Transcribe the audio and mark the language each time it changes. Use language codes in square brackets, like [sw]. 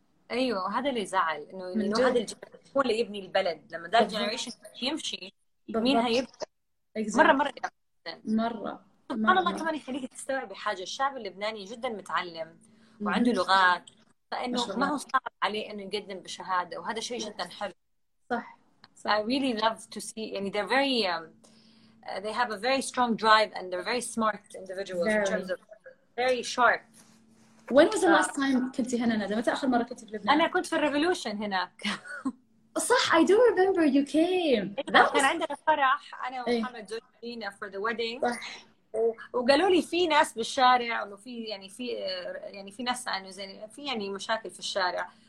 [ar] أيوة وهذا اللي زعل إنه هذا هو اللي يبني البلد لما ذا الجينيريشن يمشي مين هيبقى [en] exactly. [ar] مرة مرة الله كمان يخليك تستوعب حاجة الشعب اللبناني جدا متعلم وعنده لغات فإنه ما هو صعب عليه إنه يقدم بشهادة وهذا شيء جدا حلو صح [en] I really love to see [ar] يعني [en] they're very they have a very strong drive and they're very smart individuals very. In terms of very sharp When was the last time [ar] كنتي هنا ندى؟ متى آخر مرة كنتي في لبنان؟ أنا كنت في الريفولوشن هناك. صح, [en] I do remember you came. That [ar] كان عندنا فرح أنا ومحمد جورجينا [en] for the wedding. [ar] صح. وقالوا لي في ناس بالشارع إنه في ناس إنه زي في يعني مشاكل في الشارع.